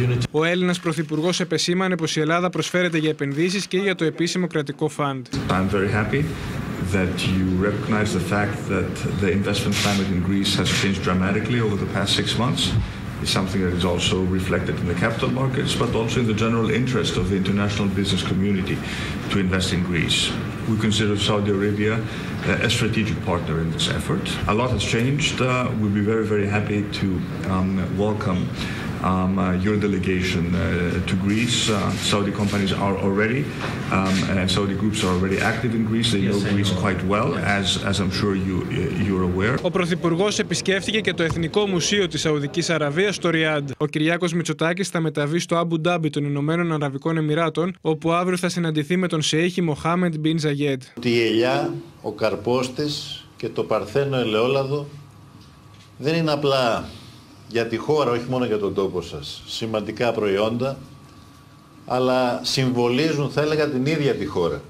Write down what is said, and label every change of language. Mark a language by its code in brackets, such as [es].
[el] Ο Έλληνας Πρωθυπουργός επεσήμανε πως η Ελλάδα προσφέρεται για επενδύσεις και για το επίσημο κρατικό φαντ. [en] I'm very happy that you recognize the fact that the investment climate in Greece has changed dramatically over the past six months. It's something that is also reflected in the capital markets, but also in the general interest of the international business community to invest in Greece. We consider Saudi Arabia a strategic partner in this effort. A lot has changed. We'll be very, very happy to welcome your delegation to Greece. Saudi companies are already, and Saudi groups are already active in Greece. They know Greece quite well, as I'm sure you're aware. [el] Ο Πρωθυπουργός επισκέφθηκε και το Εθνικό Μουσείο της Σαουδικής Αραβίας στο Ριάντ. Ο Κυριάκος Μητσοτάκης θα μεταβεί στο Άμπου Ντάμπι των Ηνωμένων Αραβικών Εμμυράτων, όπου αύριο θα συναντηθεί με τον Σέιχ Μοχάμεντ Μπιν Ζαγέντ. Η ελιά, ο καρπός της και το παρθένο ελαιόλαδο δεν είναι απλά για τη χώρα, όχι μόνο για τον τόπο σας, σημαντικά προϊόντα, αλλά συμβολίζουν, θα έλεγα, την ίδια τη χώρα.